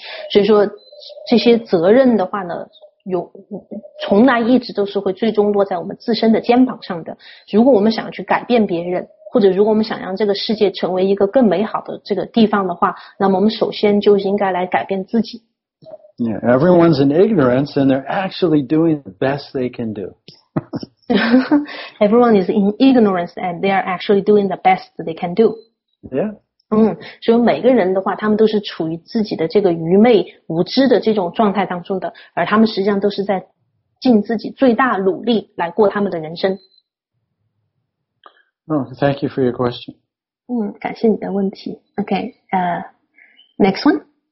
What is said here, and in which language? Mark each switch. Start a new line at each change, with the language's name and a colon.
Chinese: 所以说这些责任的话呢有从来一直都是会最终落在我们自身的肩膀上的如果我们想要去改变别人或者如果我们想让这个世界成为一个更美好的这个地方的话，那么我们首先就应该来改变自己。
English: Yeah, everyone's in ignorance and they're actually doing the best they can do. Everyone is in ignorance and they are actually doing the best they can do. Yeah.
Chinese: 所以每个人的话，他们都是处于自己的这个愚昧无知的这种状态当中的，而他们实际上都是在尽自己最大努力来过他们的人生。
English: Oh, thank you for your question.
Chinese: 感谢你的问题。
English: Okay, next one.